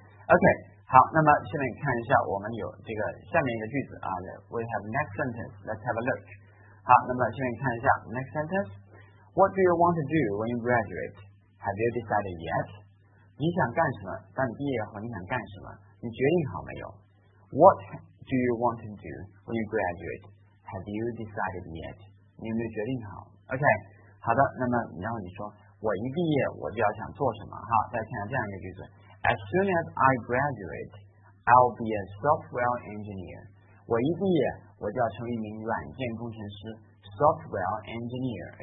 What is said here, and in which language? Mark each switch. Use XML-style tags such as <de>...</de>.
<zh>OK， 好，那么下面看一下，我们有这个下面一个句子啊，</zh> <en>We have next sentence， Let's have a look。</en> <zh>好，那么下面看一下</zh> <en>next sentence， What do you want to do when you graduate？ Have you decided yet？</en> <zh>你想干什么？当你毕业后你想干什么？你决定好没有？</zh> <en>What do you want to do when you graduate？ Have you decided yet？</en> <zh>你有没有决定好？</zh> <en>OK，</en> <zh>好的。那么然后你说我一毕业我就要想做什么哈。再看这样一个句子，</zh> <en>As soon as I graduate I'll be a software engineer。</en> <zh>我一毕业我就要成为一名软件工程师， software engineer。</zh>